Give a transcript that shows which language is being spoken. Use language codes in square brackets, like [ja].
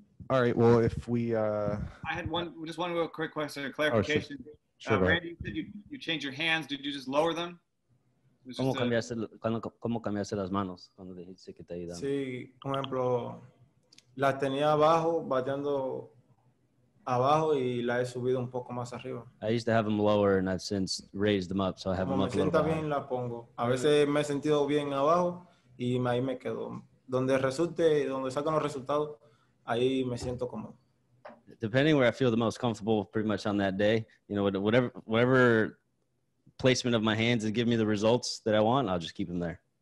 [en] All right. Well, if we, I had one, just one real quick question or clarification. Sure, Randy, you said you change your hands. Did you just lower them? [es] ¿Cómo cambiaste las manos cuando dijiste que te ayudan? Sí, por ejemplo, las tenía abajo, bateando abajo y la he subido un poco más arriba. [en] I used to have them lower and I've since raised them up, so I have them up a little [es] bit. Me siento bien, la pongo. A veces me he sentido bien abajo y ahí me quedo. Donde resulte, donde sacan los resultados, ahí me siento cómodo. [en] Depending where I feel the most comfortable pretty much on that day, you know, whatever placement of my hands is giving me the results that I want, I'll just keep them there.